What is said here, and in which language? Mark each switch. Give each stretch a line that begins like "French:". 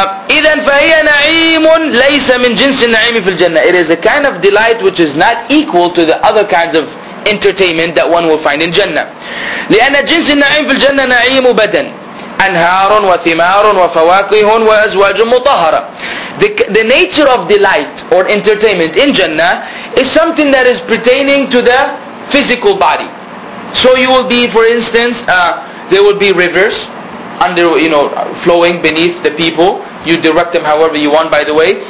Arabic: إذن فهي نعيم ليس من جنس النعيم في الجنة.
English: It is a kind of delight which is not equal to the other kinds of entertainment that one will find in Jannah.
Arabic: لأن جنس النعيم في الجنة نعيم بدن أنهار وثمار وفواكه وأزواج مطهرة.
English: The nature of delight or entertainment in Jannah is something that is pertaining to the physical body. So you will be, for instance, there will be rivers under, you know, flowing beneath the people. You direct them however you want, by the way.